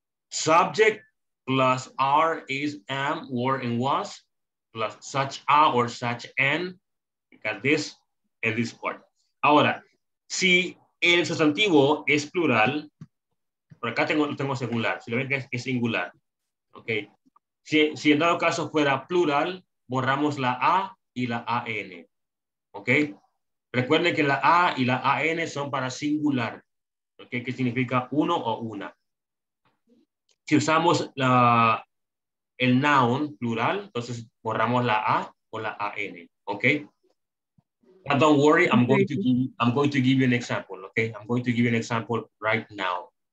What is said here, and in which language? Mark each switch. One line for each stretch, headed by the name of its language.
English: Subject plus are is am, were, and was, plus such a or such an, got this, and this part.
Spanish: Ahora, si el sustantivo es plural, por acá tengo singular, si lo ven que es singular, ¿ok? Si en dado caso fuera plural, borramos la a y la an, ¿ok? Recuerden que la A y la AN son para singular, ¿okay? Que significa uno o una. Si usamos el noun plural, entonces borramos la A o la AN, ¿ok?
English: But don't worry, I'm going to give you an example, ¿ok? I'm going to give you an example right now.